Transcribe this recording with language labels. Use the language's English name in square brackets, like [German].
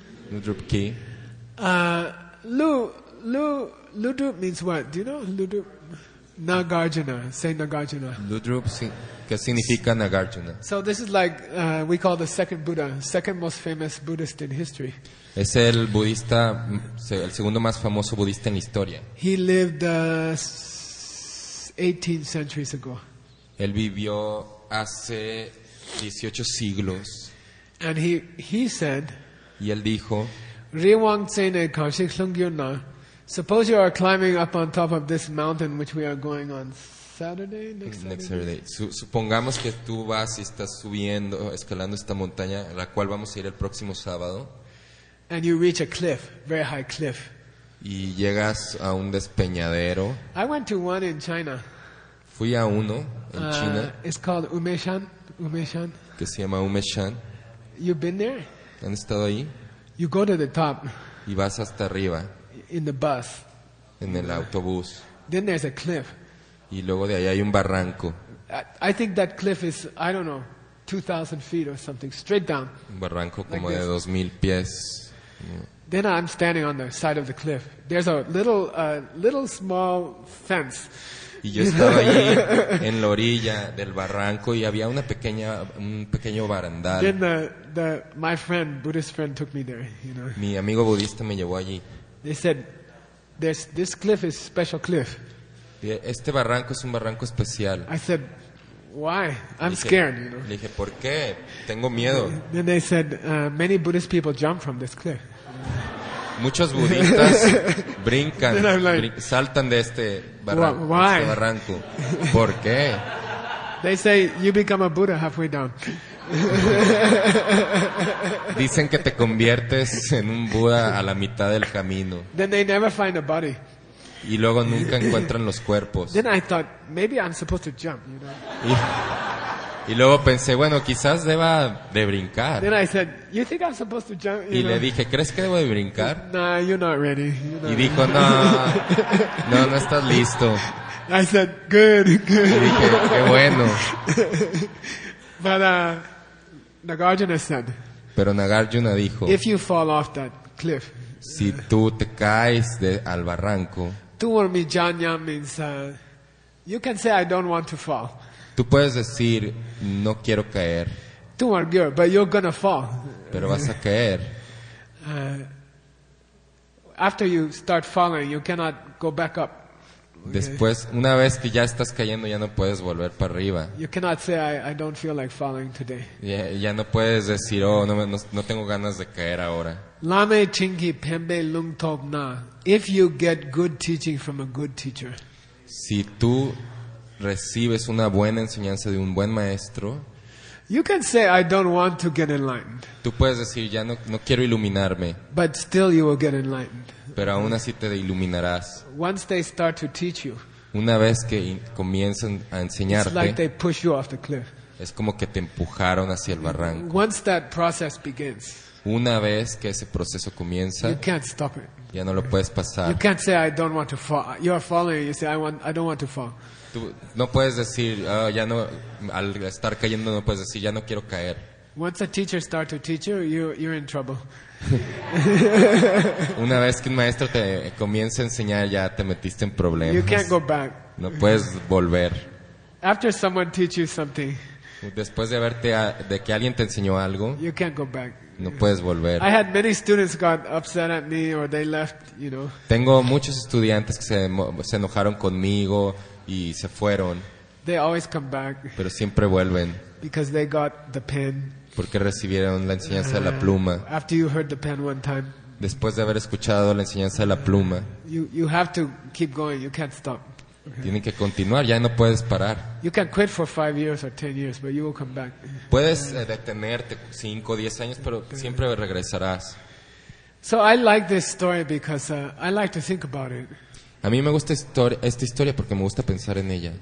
[Tibetan] Ludrup Ki. [English] Ludrup means what? Do you know Ludrup? Nagarjuna, Saint Nagarjuna. [Spanish] Ludrup, ¿qué significa Nagarjuna? [English] So this is like we call the second Buddha, second most famous Buddhist in history. [Spanish] Es el budista, el segundo más famoso budista en la historia. [English] He lived 18 centuries ago. [Spanish] Él vivió hace 18 siglos. [English] And he said. [Spanish] Y él dijo. [Tibetan] Riwang Tsene Kanshik Lungyuna. [English] Suppose you are climbing up on top of this mountain which we are going on Saturday, next Saturday. [Spanish] Supongamos que tú vas y estás subiendo, escalando esta montaña, la cual vamos a ir el próximo sábado. [English] And you reach a cliff, very high cliff. [Spanish] Y llegas a un despeñadero. [English] I went to one in China. [Spanish] Fui a uno en China. [English] It's called Umeshan. [Spanish] Que se llama Umeshan. [English] You've been there? [Spanish] ¿Han estado ahí? [English] You go to the top. [Spanish] Y vas hasta arriba. [English] In the bus. [Spanish] En el autobús. [English] Then there's a cliff. [Spanish] Y luego de ahí hay un barranco. [English] I think that cliff is, I don't know, 2,000 feet or something, straight down. [Spanish] Un barranco como [English] like [Spanish] de 2,000 pies. [English] Then I'm standing on the side of the cliff. There's a little small fence. [Spanish] Y yo estaba allí en la orilla del barranco y había una pequeña un pequeño barandal. [English] Then the my friend, Buddhist friend, took me there. You know. [Spanish] Mi amigo budista me llevó allí. [English] They said, "This cliff is special cliff." [Spanish] Este barranco es un barranco especial. [English] I said, "Why? I'm scared." You know. [Spanish] Le dije, ¿por qué? Tengo miedo. [English] Then they said, "Many Buddhist people jump from this cliff." [Spanish] Muchos budistas brincan, saltan de este barranco. [English] Why? [Spanish] Este barranco. ¿Por qué? [English] They say you become a Buddha halfway down. [Spanish] Dicen que te conviertes en un Buda a la mitad del camino. [English] Then they never find a body. [Spanish] Y luego nunca encuentran los cuerpos. [English] Then I thought maybe I'm supposed to jump, you know. [Spanish] Y luego pensé, bueno, quizás deba de brincar. [English] Then I said, you think I'm supposed to jump? [Spanish] Y le dije, ¿crees que debo de brincar? [English] Nah, you're not ready. You're not [Spanish] y dijo, [English] ready. [Spanish] No estás listo. [English] I said, good. [Spanish] Y dije, qué bueno. [English] But Nagarjuna said. [Spanish] Pero Nagarjuna dijo. [English] If you fall off that cliff. [Spanish] Si tú te caes al barranco. [Tibetan] Tu or mi janya [English] means you can say I don't want to fall. [Spanish] Tú puedes decir no quiero caer. [Tibetan] Tu or gyur, [English] but you're gonna fall. [Spanish] Pero vas a caer. [English] After you start falling, you cannot go back up. [Spanish] Después, una vez que ya estás cayendo, ya no puedes volver para arriba. [English] You cannot say I don't feel like falling today. [Spanish] Ya no puedes decir, oh, no tengo ganas de caer ahora. [Tibetan] Lame chingi pembe lungtob na. [English] If you get good teaching from a good teacher. [Spanish] Si tú recibes una buena enseñanza de un buen maestro. [English] You can say I don't want to get enlightened. [Spanish] Tú puedes decir ya no quiero iluminarme. [English] But still you will get enlightened. [Spanish] Pero aún así te iluminarás. [English] Once they start to teach you. [Spanish] Una vez que comienzan a enseñarte. [English] It's like they push you off the cliff. [Spanish] Es como que te empujaron hacia el barranco. [English] Once that process begins. [Spanish] Una vez que ese proceso comienza. [English] You can't stop it. [Spanish] Ya no lo puedes pasar. [English] You can't say I don't want to fall. You are falling. You say I don't want to fall. [Spanish] Tú no puedes decir ya no al estar cayendo no puedes decir ya no quiero caer. [English] Once a teacher start to teach you, you're in trouble. [Spanish] Una vez que un maestro te comienza a enseñar ya te metiste en problemas. [English] You can't go back. [Spanish] No puedes volver. [English] After someone teach you something. [Spanish] Después de haberte de que alguien te enseñó algo. [English] You can't go back. [Spanish] No puedes volver. [English] I had many students got upset at me or they left, you know. [Spanish] Tengo muchos estudiantes que se enojaron conmigo. Y se fueron. [English] They always come back. [Spanish] Pero siempre vuelven. [English] Because they got the pen. [Spanish] Porque recibieron la enseñanza de la pluma. [English] After you heard the pen one time. [Spanish] Después de haber escuchado la enseñanza de la pluma. [English] You have to keep going. You can't stop. [Spanish] Okay. Tienen que continuar. Ya no puedes parar. [English] You can quit for 5 years or 10 years, but you will come back. [Spanish] Puedes detenerte 5 o 10 años, pero siempre regresarás. [English] So I like this story because I like to think about it. [Spanish] A mí me gusta esta historia porque me gusta pensar en ella.